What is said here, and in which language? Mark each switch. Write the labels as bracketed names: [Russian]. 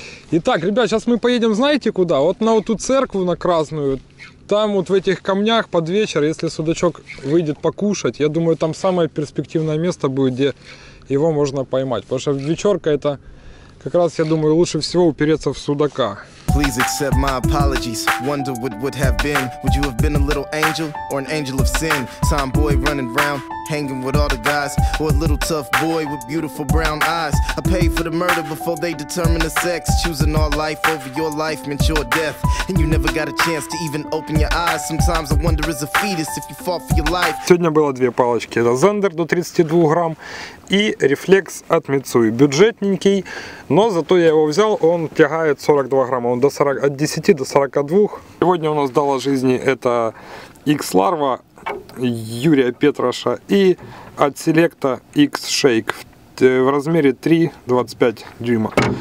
[Russian] Итак, ребят, сейчас мы поедем, знаете, куда? Вот на вот ту церковь, на Красную. Там вот в этих камнях под вечер, если судачок выйдет покушать, я думаю, там самое перспективное место будет, где его можно поймать. Потому что вечерка — это как раз, я думаю, лучше всего упереться в судака. [English] Please accept my apologies. Wonder what would have been. Would you have been a little angel or an angel of sin? Tomboy running around, hanging with all the guys. Or a little tough boy with beautiful brown eyes. I paid for the murder before they determine the sex. Choosing all life over your life meant your death. And you never got a chance to even open your eyes. Sometimes I wonder as a fetus if you fought for your life. [Russian] Сегодня было две палочки. Это Zender до 32 грамм и Reflex от Mitsui. Бюджетненький, но зато я его взял, он тягает 42 грамма. До 40, от 10 до 42. Сегодня у нас дало жизни это X-Larva Юрия Петроша и от Selecta X-Shake в размере 3,25 дюйма.